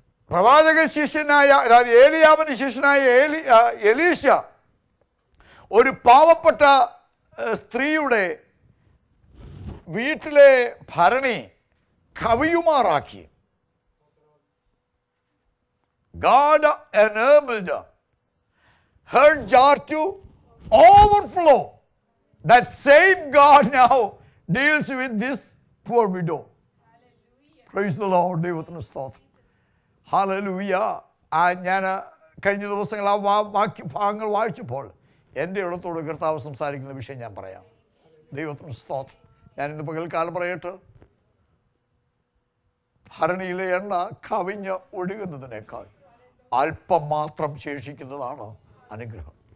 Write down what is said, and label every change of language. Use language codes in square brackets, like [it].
[ml] പ്രവാചക ശിഷ്യനായ, അതായത് ഏലിയാവിൻ്റെ ശിഷ്യനായ എലീശ ഒരു പാവപ്പെട്ട സ്ത്രീയുടെ വീട്ടിലെ ഭരണി കവിയുമാറാക്കി. [en] God enabled her jar to overflow. That same God now deals with this poor widow. Praise the Lord. [ml] ദൈവത്തിന് സ്തോത്രം. [en] Hallelujah. [ml] ആ ഞാൻ കഴിഞ്ഞ ദിവസങ്ങൾ ആ ബാക്കി ഭാഗങ്ങൾ വായിച്ചപ്പോൾ എൻ്റെ ഇടത്തോട് കർത്താവ് സംസാരിക്കുന്ന വിഷയം ഞാൻ പറയാം. ദൈവത്തിന് സ്തോത്രം. ഞാനിന്ന് പകൽക്കാലം പറയട്ട്, ഭരണിയിലെ എണ്ണ കവിഞ്ഞ് ഒഴുകുന്നതിനേക്കാൾ അല്പം മാത്രം ശേഷിക്കുന്നതാണ് അനുഗ്രഹം.